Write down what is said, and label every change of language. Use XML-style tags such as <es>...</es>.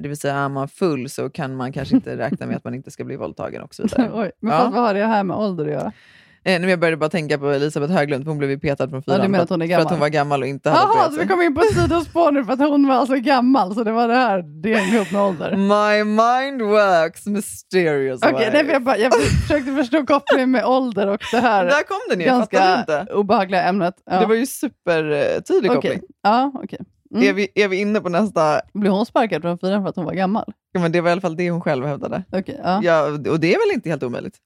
<sv>Det vill säga, är man full så kan man kanske inte räkna med att man inte ska bli våldtagen och så vidare. Oj, men fast, vad har det här med ålder att göra? Nej, men jag började bara tänka på Elisabeth Höglund. Hon blev ju petad från fyran för att hon var gammal och inte hade pratat. Jaha, så vi kom in på sidospår nu för att hon var alltså gammal. Så det var det här, det är en grupp med ålder.</sv> <en>My mind works mysterious.</en> <sv>Okej, okay, jag försökte förstå kopplingen med ålder och det här. Där kom den ju, ganska fattade du inte? Ganska obehagliga ämnet. Ja. Det var ju supertydlig koppling. Okay. Ja, okej. Okay. Mm. Är vi inne på nästa? Blir hon sparkad från fyran för att hon var gammal? Ja, men det var i alla fall det hon själv hävdade. Okej, okay, ja. Ja, och det är väl inte helt omöjligt?</sv>